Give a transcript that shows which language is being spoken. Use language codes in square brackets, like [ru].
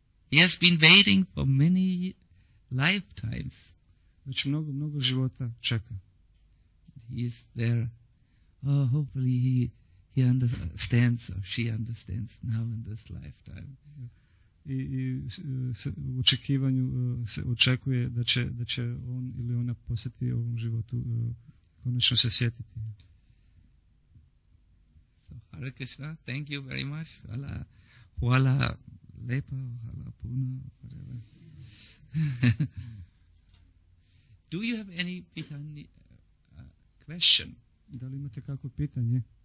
[en] He has been waiting for many lifetimes. [hr] Već mnogo, mnogo života čeka. [en] He is there. Oh, hopefully he understands or she understands now in this lifetime. [hr] I u očekivanju se očekuje da će on ili ona posjeti ovom životu konačno se sjetiti. [en] So, Hare Krishna, thank you very much. [hr] Hvala. Hvala lepa, hvala puno, [en] whatever. Do you have any pitanje, question? [hr] Da li imate kakvo pitanje?